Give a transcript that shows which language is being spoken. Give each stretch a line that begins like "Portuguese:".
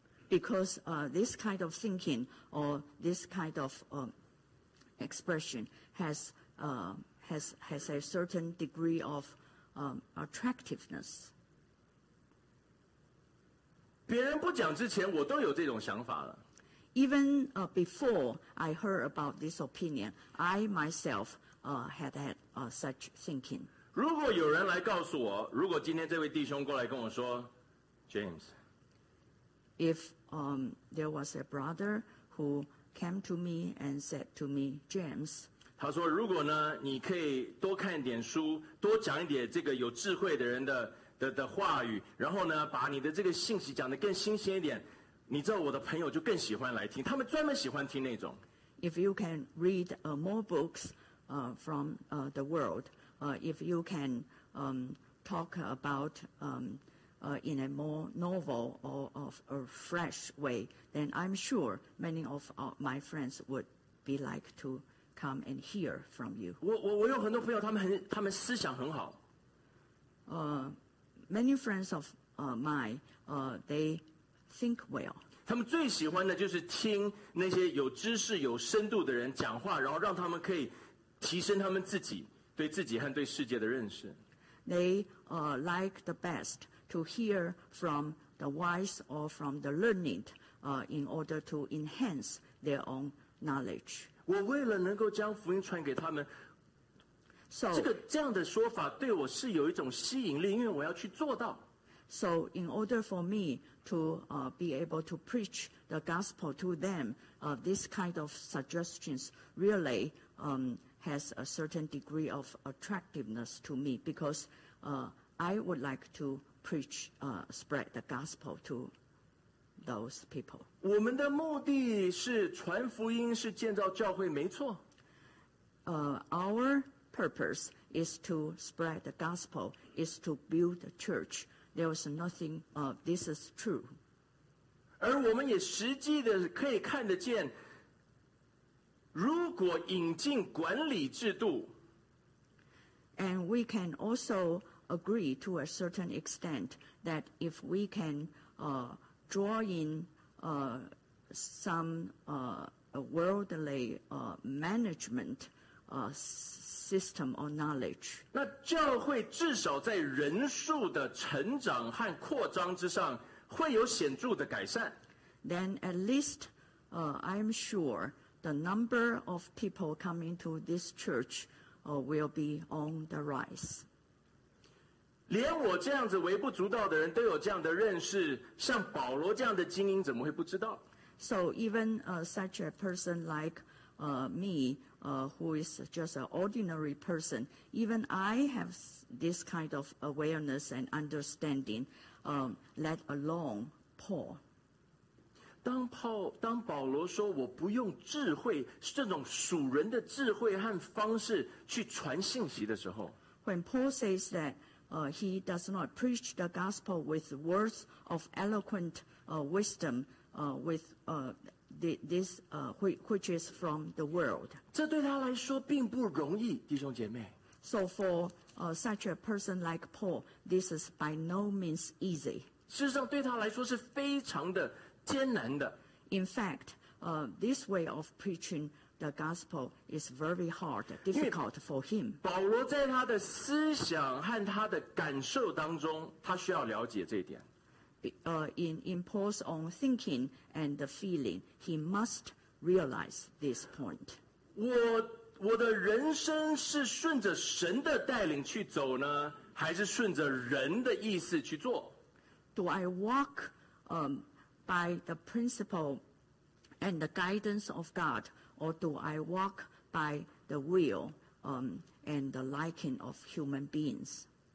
English: Because this kind of thinking or this kind of expression has a certain degree of attractiveness.
Chinese: 别人不讲之前，我都有这种想法了。
English: Even before I heard about this opinion, I myself had such thinking.
Chinese: 如果有人来告诉我，如果今天这位弟兄过来跟我说 ，James。
English: If there was a brother who came to me and said to me, James,
Chinese: 他说如果呢，你可以多看一点书，多讲一点这个有智慧的人的话语，然后呢，把你的这个信息讲得更新鲜一点，你知道我的朋友就更喜欢来听，他们专门喜欢听那种。
English: If you can read more books from the world, if you can talk about in a more novel or of a fresh way, then I'm sure many of my friends would be like to come and hear from you.
Chinese: 我有很多朋友，他们思想很好。
English: Many friends of mine, they think well.
Chinese: 他们最喜欢的就是听那些有知识、有深度的人讲话，然后让他们可以提升他们自己对自己和对世界的认识。
English: They like the best. To hear from the wise or from the learned, in order to enhance their own knowledge.
Chinese: 我为了能够将福音传给他们，这样的说法对我是有一种吸引力，因为我要去做到。
English: So in order for me to be able to preach the gospel to them, this kind of suggestions really has a certain degree of attractiveness to me because I would like to. Preach, spread the gospel to those people.
Chinese: 我们的目的是传福音，是建造教会，没错。
English: Our purpose is to spread the gospel, is to build the church. There is nothing, this is true.
Chinese: 而我们也实际的可以看得见，如果引进管理制度。
English: And we can also. Agree to a certain extent that if we can draw in some worldly management system or knowledge,
Chinese: 那教会至少在人数的成长和扩张之上会有显著的改善。
English: Then at least I'm sure the number of people coming to this church will be on the rise.
Chinese: 连我这样子微不足道的人都有这样的认识，像保罗这样的精英怎么会不知道？
English: So even such a person like me, who is just an ordinary person. Even I have this kind of awareness and understanding, let alone Paul.
Chinese: 当保罗说我不用智慧，这种属人的智慧和方式去传信息的时候，
English: when Paul says that he does not preach the gospel with words of eloquent wisdom, with this which is from the world.
Chinese: 这对他来说并不容易，弟兄姐妹。
English: So for such a person like Paul, this is by no means easy.
Chinese: 事实上，对他来说是非常的。
English: In fact, this way of preaching the gospel is very hard, difficult for him.
Chinese: 保罗在他的思想和他的感受当中, 他需要了解这一点。
English: In Paul's own thinking and the feeling, he must realize this point.
Chinese: 我的人生是顺着神的带领去走呢, 还是顺着人的意思去做?
English: Do I walk by the principle and the guidance of God, or do I walk by the will and the liking of human beings?